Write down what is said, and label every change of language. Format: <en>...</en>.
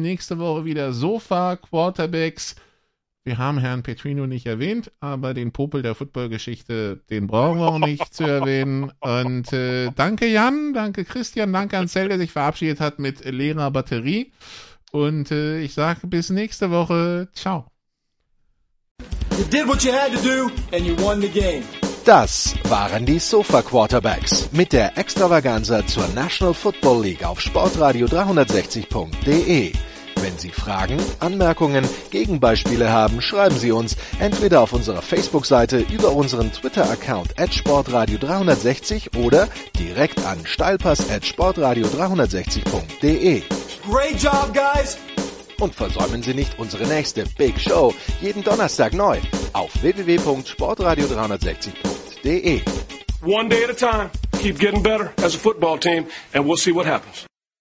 <de>Nächste Woche wieder Sofa, Quarterbacks. Wir haben Herrn Petrino nicht erwähnt, aber den Popel der Football-Geschichte, den brauchen wir auch nicht zu erwähnen. Und danke Jan, danke Christian, danke an Zell, der sich verabschiedet hat mit leerer Batterie. Und ich sage bis nächste Woche. Ciao.</de> <en>You did what you had to do and you won the game.</en> <de>Das waren die Sofa Quarterbacks mit der Extravaganza zur National Football League auf sportradio360.de. Wenn Sie Fragen, Anmerkungen, Gegenbeispiele haben, schreiben Sie uns entweder auf unserer Facebook-Seite über unseren Twitter-Account @sportradio360 oder direkt an steilpass@sportradio360.de.</de> <en>Great job, guys!</en> <de>Und versäumen Sie nicht unsere nächste Big Show jeden Donnerstag neu auf www.sportradio360.de.</de> <en>One day at a time. Keep getting better as a football team and we'll see what happens.</en>